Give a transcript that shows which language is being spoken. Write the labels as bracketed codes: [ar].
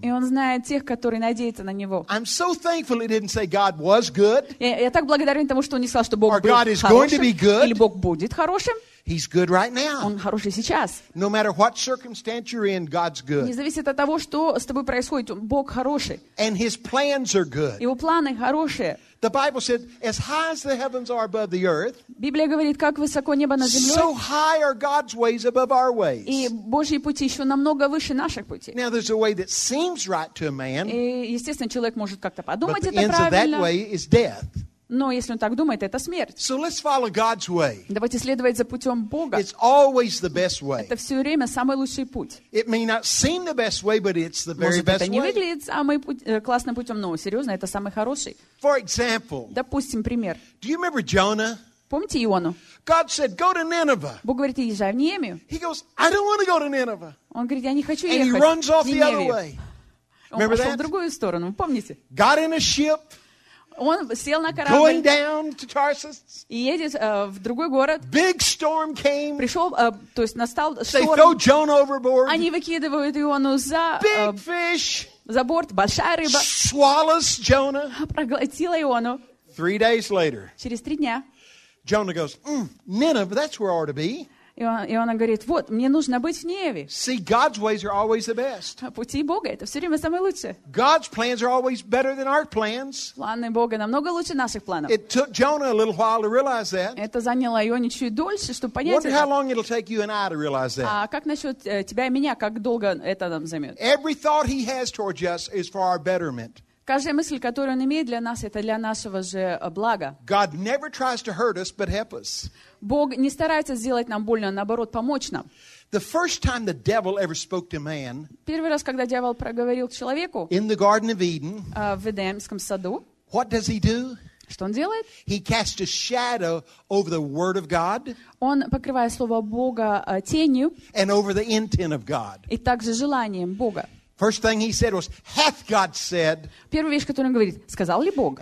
[ru] И он знает тех, которые надеются на него. [en] I'm so thankful He didn't say God was good. [ru] Я так благодарен тому, что он не сказал, что Бог был хорошим. [en] Or God is going to be good. [ru] Или Бог будет хорошим. [en] He's good right now. [ru] Он хороший сейчас. [en] No matter what circumstance you're in, God's good. [ru] Не зависит от того, что с тобой происходит, Бог хороший. [en] And His plans are good. [ru] Его планы хорошие. [en] The Bible said, "As high as the heavens are above the earth." [ru] Библия говорит, как высоко небо над землей. [en] So high are God's ways above our ways. [ru] И Божьи пути еще намного выше наших путей. [en] Now there's a way that seems right to a man. [ru] И естественно человек может как-то подумать это правильно. [en] But the end of that way is death. [ru] Но если он так думает, это смерть. [en] So let's follow God's way. [ru] Давайте следовать за путем Бога. [en] It's always the best way. [ru] Это все время самый лучший путь. [en] It may not seem the best way, but it's the very [ru] Может, [en] best way. [ru] Это не выглядит самым классным путем, но серьезно, это самый хороший. [en] For example. [ru] Допустим, пример. [en] Do you remember Jonah? [ru] Помните Иону? [en] God said, "Go to Nineveh." [ru] Бог говорит, езжай в Ниневию. [en] He goes, "I don't want to go to Nineveh." [ru] Он говорит, я не хочу [en] And [ru] ехать. [en] And he runs off the other way. Remember [ru] он пошел [en] that? [ru] В другую сторону. Помните? [en] Got in a ship. [ru] Он сел на корабль [en] Going down to Tarsus. [ru] И едет в другой город. [en] Big storm came. [ru] Пришел, то есть настал [en] They [ru] шторм. [en] Throw Jonah overboard. [ru] Они выкидывают Иону за, [en] Big fish [ru] за борт, большая рыба. [en] Swallows Jonah. [ru] Проглотила Иону. [en] Three days later, [ru] через три дня [en] Jonah goes, Nineveh, that's where I ought to be. [ru] Иона говорит, вот, мне нужно быть в Ниневе. [en] See, God's ways are always the best. [ru] Пути Бога, это все время самые лучшие. [en] God's plans are always better than our plans. [ru] Планы Бога намного лучше наших планов. [en] It took Jonah a little while to realize that. [ru] Это заняло Ионе чуть дольше, чтобы понять [en] Wonder [ru] это. [en] How long it'll take you and I to realize that. [ru] А как насчет тебя и меня, как долго это нам займет? [en] Every thought he has towards us is for our betterment. [ru] Каждая мысль, которую он имеет для нас, это для нашего же блага. [en] God never tries to hurt us, but help us. [ru] Бог не старается сделать нам больно, а наоборот, помочь нам. [en] The first time the devil ever spoke to man, [ru] первый раз, когда дьявол проговорил к человеку [en] in the Garden of Eden, [ru] в Эдемском саду, [en] what does he do? [ru] Что он делает? [en] He cast a shadow over the word of God, [ru] он покрывает слово Бога тенью [en] and over the intent of God. [ru] И также желанием Бога. [en] First thing he said was, "Hath God said?" [ru] Первая вещь, которую он говорит, сказал ли Бог?